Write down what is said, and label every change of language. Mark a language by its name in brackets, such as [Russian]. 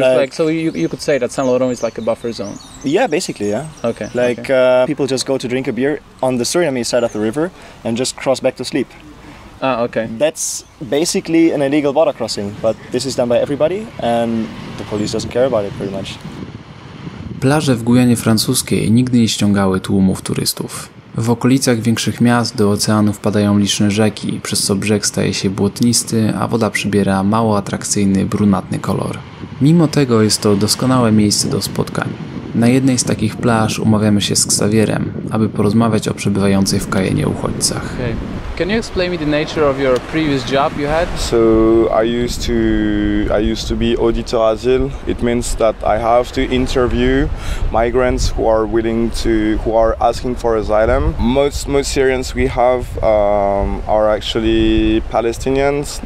[English] So you could say that Saint Laurent is like a buffer zone. Yeah, basically, yeah. Okay. Like okay. People just go to drink a beer on the Surinamese side of the river and just cross back to sleep. Ah, okay. That's basically an illegal border crossing, but this is done by everybody and the police doesn't care about it pretty much. [Polish] Plaże w Gujanie Francuskiej nigdy nie ściągały tłumów turystów. W okolicach większych miast do oceanu wpadają liczne rzeki, przez co brzeg staje się błotnisty, a woda przybiera mało atrakcyjny, brunatny kolor. Mimo tego jest to doskonałe miejsce do spotkań. Na jednej z takich plaż umawiamy się z Xavierem, aby porozmawiać o przebywającej w Kajenie uchodźcach. [English] Okay. Can you explain me the nature of your previous job you had? So I used to be auditor asyl. It means that I have to interview migrants who are willing to who are asking for asylum. Most Syrians we have are actually Palestinians.